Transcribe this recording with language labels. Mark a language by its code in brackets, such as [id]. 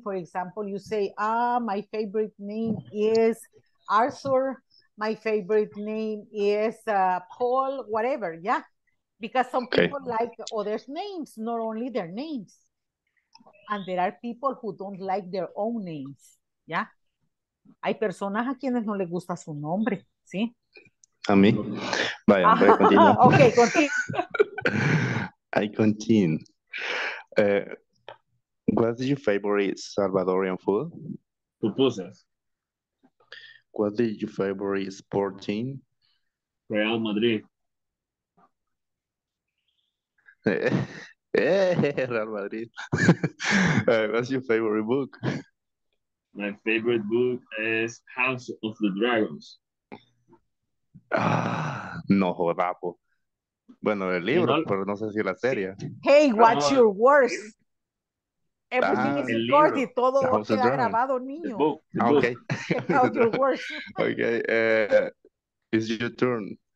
[en] For example, you say, my favorite name is Arthur. My favorite name is Paul, whatever. Yeah, because some people like others' names, not only their names. And there are people who don't like their own names. [es] Ya. Hay personas a quienes no les gusta su nombre, ¿sí? A mí. Vaya, voy a continuar. [en] Ok, continue. I continue. What is your favorite Salvadorian food? Pupusas. What is your favorite sport team? Real Madrid. Real Madrid. What's your favorite book? My favorite book is House of the Dragons. [es] No jodapo. Bueno, el libro, pero no sé si la serie. [en] Hey, what's your worst? Everything is recorded. Libro. [es] Todo queda grabado, niño. [en] Okay. Check out your words. Okay. It's your turn.